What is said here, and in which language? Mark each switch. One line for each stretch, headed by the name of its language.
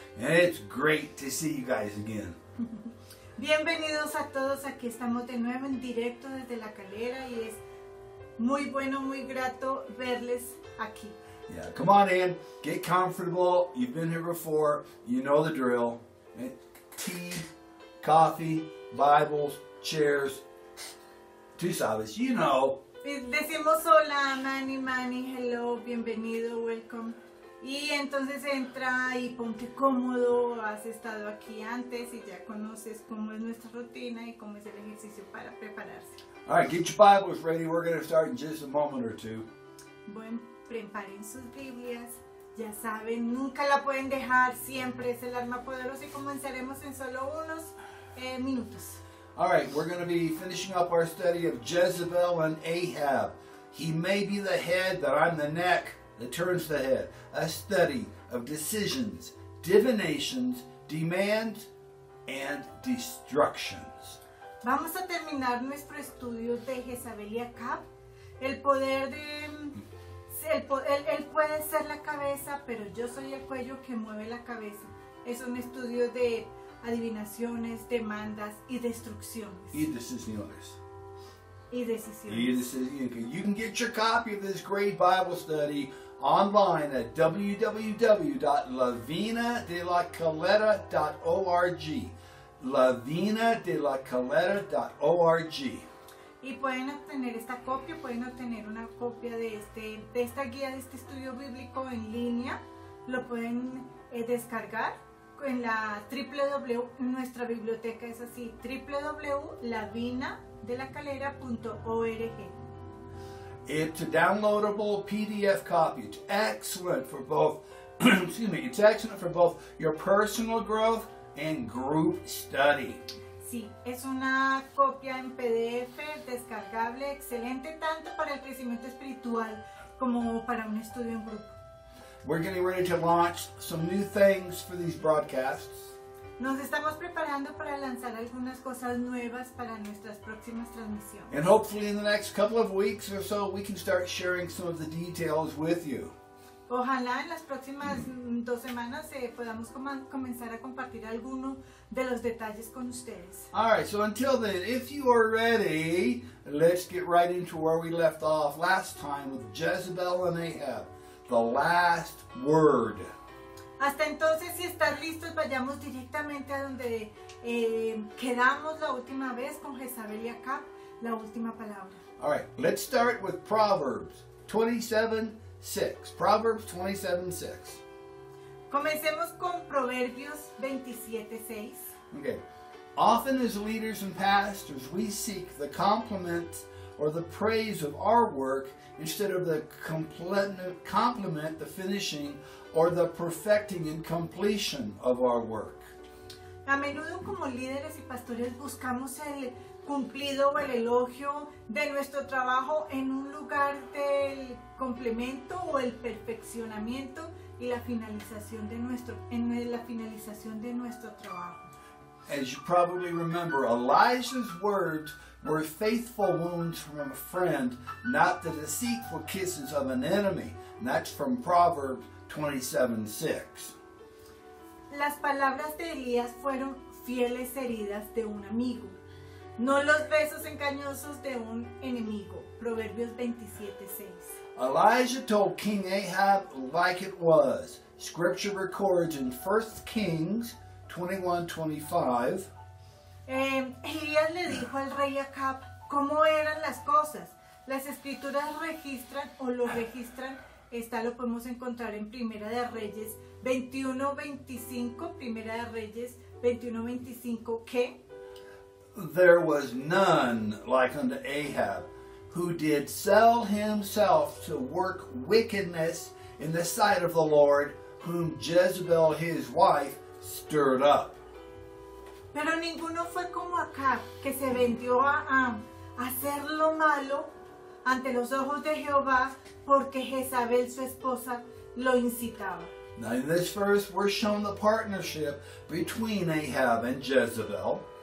English: And it's great to see you guys again.
Spanish: Bienvenidos a todos. Aquí estamos de nuevo en directo desde La Calera y es muy bueno, muy grato verles aquí.
English: Yeah, come on in. Get comfortable. You've been here before. You know the drill. Tea, coffee, Bibles. Chairs,
Spanish: tú sabes,
English: you know.
Spanish: Decimos hola, Manny,
English: hello,
Spanish: bienvenido,
English: welcome.
Spanish: Y entonces entra y ponte cómodo, has estado aquí antes y ya conoces cómo es nuestra rutina y cómo es el ejercicio para prepararse.
English: All right, get your Bibles ready, we're going to start in just a moment or two.
Spanish: Bueno, preparen sus Biblias, ya saben, nunca la pueden dejar, siempre es el arma poderosa y comenzaremos en solo unos minutos.
English: All right, we're going to be finishing up our study of Jezebel and Ahab. He may be the head, but I'm the neck that turns the head. A study of decisions, divinations, demands, and destructions.
Spanish: Vamos a terminar nuestro estudio de Jezebel y Ahab. El poder de... Él puede ser la cabeza, pero yo soy el cuello que mueve la cabeza. Es un estudio de... adivinaciones, demandas y destrucciones. Y decisiones.
English: You can get your copy of this great Bible study online at www.lavinadelacaleta.org. Lavinadelacaleta.org.
Spanish: y pueden obtener esta copia, pueden obtener una copia de esta guía, de este estudio bíblico en línea. Lo pueden descargar en la www, nuestra biblioteca es así, www.lavinadelacalera.org.
English: It's a downloadable PDF copy. It's excellent for both, it's excellent for both your personal growth and group study.
Spanish: Sí, es una copia en PDF descargable, excelente tanto para el crecimiento espiritual como para un estudio en grupo.
English: We're getting ready to launch some new things for these broadcasts.
Spanish: Nos estamos preparando para lanzar algunas cosas nuevas para nuestras próximas transmisiones.
English: And hopefully in the next couple of weeks or so, we can start sharing some of the details with you.
Spanish: Ojalá en las próximas dos semanas podamos comenzar a compartir alguno de los detalles con ustedes.
English: All right, so until then, if you are ready, let's get right into where we left off last time with Jezebel and Ahab, the last word.
Spanish: Hasta entonces, si estás listo, vayamos directamente a donde quedamos la última vez con Jezabel y Acab, la última palabra.
English: All right, let's start with Proverbs 27:6. Proverbs 27:6.
Spanish: Comencemos con Proverbios 27:6.
English: Okay. Often as leaders and pastors, we seek the compliment or the praise of our work instead of the compliment, the finishing, or the perfecting and completion of our work.
Spanish: A menudo como líderes y pastores buscamos el cumplido o el elogio de nuestro trabajo en un lugar del complemento o el perfeccionamiento y la finalización de nuestro trabajo.
English: As you probably remember, Elijah's words were faithful wounds from a friend, not the deceitful kisses of an enemy. And that's from Proverbs 27:6.
Spanish: Las palabras de Elías fueron fieles heridas de un amigo, no los besos engañosos de un enemigo. Proverbios 27:6.
English: Elijah told King Ahab like it was. Scripture records in 1 Kings 21:25.
Spanish: Elías le dijo al rey Acab cómo eran las cosas. Las escrituras registran o lo registran. Esta lo podemos encontrar en Primera de Reyes 21:25. Primera de Reyes 21:25. Que
English: there was none like unto Ahab, who did sell himself to work wickedness in the sight of the Lord, whom Jezebel his wife stirred up.
Spanish: Pero ninguno fue como Acab, que se vendió a hacer lo malo ante los ojos de Jehová, porque Jezabel, su esposa, lo incitaba.
English: Now in this verse we're shown the partnership between Ahab and Jezebel.